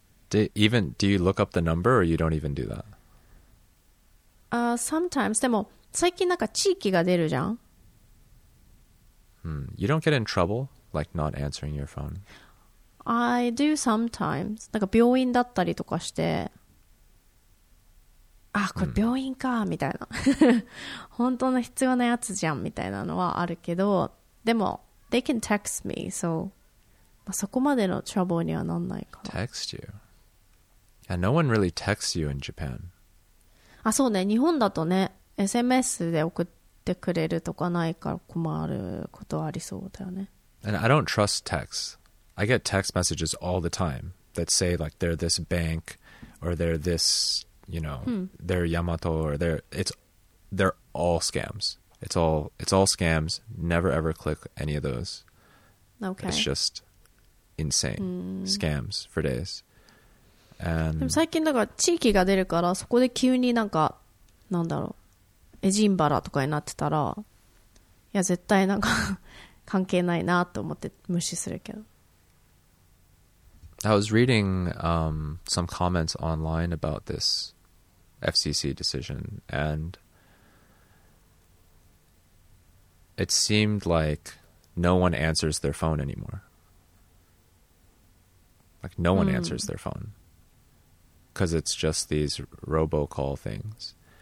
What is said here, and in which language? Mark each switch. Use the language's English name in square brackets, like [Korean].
[English] do you look up the number or you don't even do that? Sometimes. [Japanese] でも最近なんか地域が出るじゃん。 [English] You don't get in trouble like not answering your phone? I do sometimes. [Japanese] なんか病院だったりとかして、あこれ病院かみたいな本当の必要なやつじゃんみたいなのはあるけど、でも [English] they can text me, so [Japanese] そこまでのトラブルにはなんないか。 [English] Text you? And no one really texts you in Japan. [Japanese] あ、そうね。日本だとね、SMS で送ってくれるとかないから困ることありそうだよね。 [English] And I don't trust texts. I get text messages all the time that say like they're this bank or they're this, you know, they're Yamato or they're all scams. It's all scams. Never ever click any of those. Okay. It's just... insane scams for days. And [Japanese] でも最近だから地域が出るから、そこで急になんかなんだろうエジンバラとかになってたら、いや絶対なんか関係ないなと思って無視するけど。 [English] I was reading some comments online about this FCC decision, and it seemed like no one answers their phone anymoreLike, no one answers their phone because it's just these robocall things.